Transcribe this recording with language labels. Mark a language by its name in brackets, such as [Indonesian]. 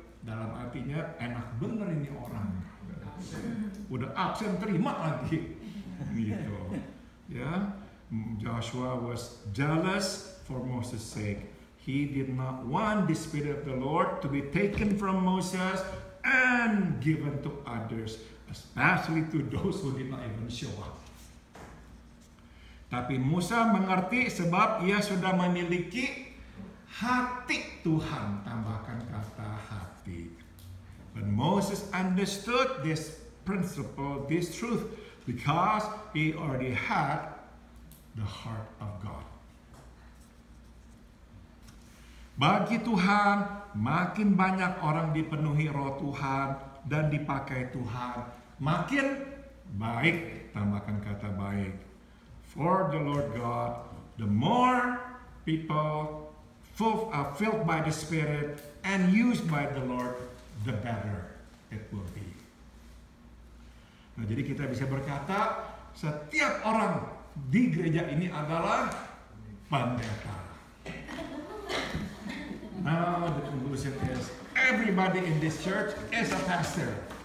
[Indonesian] Dalam artinya enak bener ini orang, udah absen terima lagi gitu ya. [English] Joshua was jealous for Moses' sake. He did not want the Spirit of the Lord to be taken from Moses and given to others, especially to those who did not even show up. [Indonesian] Tapi Musa mengerti sebab ia sudah memiliki hati Tuhan. Tambahkan kata hati. [English] But Moses understood this principle, this truth, because he already had the heart of God. [Indonesian] Bagi Tuhan, makin banyak orang dipenuhi roh Tuhan dan dipakai Tuhan, makin baik. Tambahkan kata baik. [English] For the Lord God, the more people filled by the Spirit and used by the Lord, the better it will be. [Indonesian] Nah, jadi kita bisa berkata, setiap orang di gereja ini adalah pendeta. [English] Now the conclusion is, everybody in this church is a pastor.